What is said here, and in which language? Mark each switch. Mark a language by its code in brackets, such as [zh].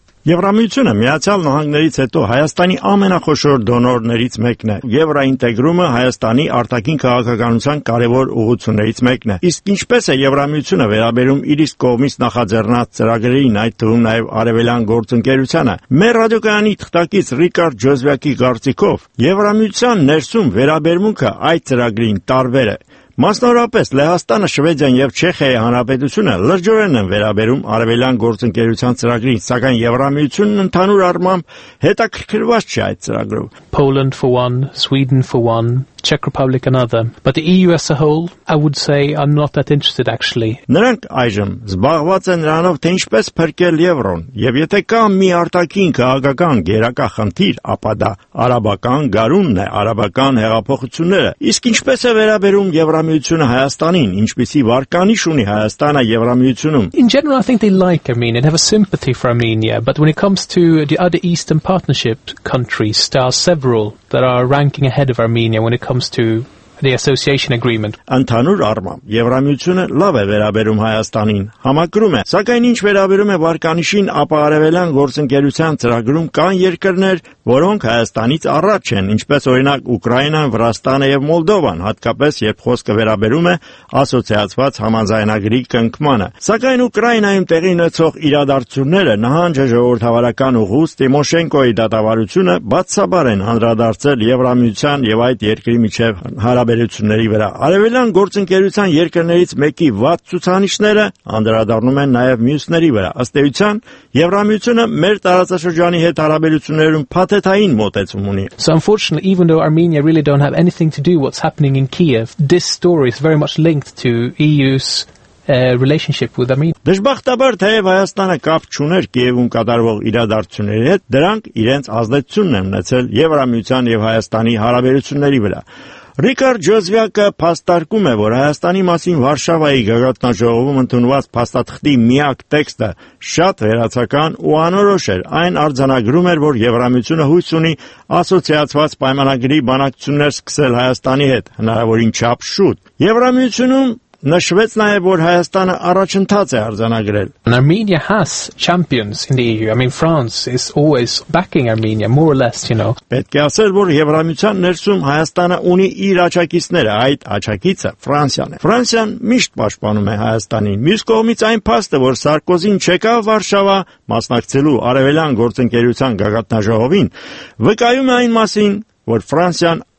[hy] Եվրամիությունը Միացյալ Նահանգներից հետո Հայաստանի ամենախոշոր դոնորներից մեկն է։ Եվրոինտեգրումը Հայաստանի արտաքին քաղաքականության կարևոր ուղղություններից մեկն է։ Իսկ ինչպես է Եվրամիությունը վերաբերում իր իսկ կողմից նախաձեռնած ծրագրերին, այդ թվում նաև արևելյան գործընկերությանը։ Մեր ռադիոկայանի թղթակից Ռիկարդ Ջոզվյակի կարծիքով Եվրամիության ներսում վերաբերմունքը այդ ծրագրին տարբեր է։ Մասնավորապես Լեհաստանը, Շվեդիան և Չեխիայի Հանրապետությունը լրջորեն են վերաբերում արևելյան գործընկերության ծրագրին, սակայն Եվրամիությունն ընդհանուր առմամբ հետաքրքրված չէ այդ ծրագրով։ [en] Poland for one, Sweden for one, Czech Republic another, but the EU as a whole, I would say, I'm not that interested actually. [hy] Նրանք այժմ զբաղված են նրանով, թե ինչպես փրկել Եվրոն, և եթե կա մի արտաքին քաղաքական գերակա խնդիր, ապա դա արաբական գարունն է, արաբական հեղափոխությունները։ Իսկ ինչպես է վերաբերում Եվրամիությունը Հայաստանին, ինչպիսի վարկանիշ ունի Հայաստանը Եվրամիությունում։ [en] In general, I think they like Armenia and have a sympathy for Armenia, but when it comes to the other Eastern Partnership countries, there are several that are ranking ahead of Armenia when it comes to the association agreement. [hy] Ընդհանուր առմամբ Եվրամիությունը լավ է վերաբերում Հայաստանին, համակրում է, սակայն ինչ վերաբերում է Վարկանիշին, ապա արևելյան գործընկերության ծրագրում կան երկրներ, որոնք Հայաստանից առաջ են, ինչպես օրինակ Ուկրաինան, Վրաստանը եւ Մոլդովան, հատկապես երբ խոսքը վերաբերում է ասոցիացված համաձայնագրի կնքմանը։ Սակայն Ուկրաինայում տեղի ունեցող իրադարձությունները, նահանջը ժողովրդավարական ուղուց Տիմոշենկոյի դատավարությունը բացաբար են հանրադարձել Եվրամիության եւ այդ երկրի միջև հարաբերությունների վրա։ Արևելյան գործընկերության երկրներից մեկի վատ ցուցանիշները անդրադառնում են նաև մյուսների վրա։ Ըստ էության, Եվրամիությունը մեր տարածաշրջանի հետ հարաբերություններում փաթեթային մոտեցում ունի։ [en] So unfortunately, even though Armenia really don't have anything to do with what's happening in Kiev, this story is very much linked to EU's relationship with Armenia. [hy] Դժբախտաբար, թեև Հայաստանը կապ չուներ Կիևում կատարվող իրադարձությունների հետ, դրանք իրենց ազդեցությունն են ունեցել Եվրամիության եւ Հայաստանի հարաբերությունների վրա։ Ռիկարդ Ջոզվյակը փաստարկում է, որ Հայաստանի մասին Վարշավայի գագաթնաժողովում ընդունված փաստաթղթի միակ տեքստը շատ վերացական ու անորոշ էր, այն արձանագրում էր, որ Եվրամիությունը հույս ունի ասոցիացված պայմանագրի բանակցություններ սկսել Հայաստանի հետ, հնարավորին չափ շուտ։ Եվրամիությունում նշվեց նաև, որ Հայաստանը առաջընթաց է արձանագրել։ [en] Armenia has champions in the EU. I mean, France is always backing Armenia, more or less, you know. [hy] Պետք է ասել, որ Եվրամիության ներսում Հայաստանը ունի իր աջակիցները, այդ աջակիցը Ֆրանսիան է։ Ֆրանսիան միշտ պաշտպանում է Հայաստանին։ Մյուս կողմից այն փաստը, որ Սարկոզին չեկավ Վարշավա մասնակցելու արևելյան գործընկերության գագաթնաժողովին, վկայում է այն մասին, որ Ֆրանսիան